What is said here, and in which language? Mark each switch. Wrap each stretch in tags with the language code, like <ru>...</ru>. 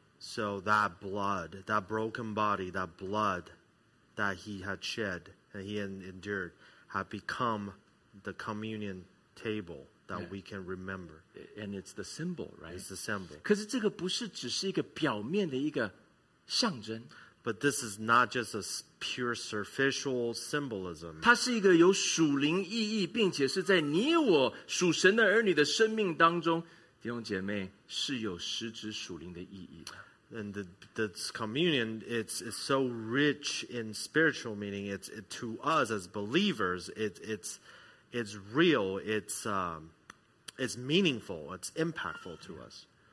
<en>So that blood, that broken body, that blood that he had shed and he had endured had become the communion table. That we can remember. And it's the symbol, right? It's the symbol.</en> <zh>可是这个不是只是一个表面的一个象征。</zh> <en>But this is not just a pure superficial symbolism.</en> <zh>它是一个有属灵意义,并且是在你我属神的儿女的生命当中,弟兄姐妹,是有实质属灵的意义的。</zh> <en>And this communion, it's so rich in spiritual meaning. It's to us as believers, it's real, it's meaningful, it's impactful to us.</en>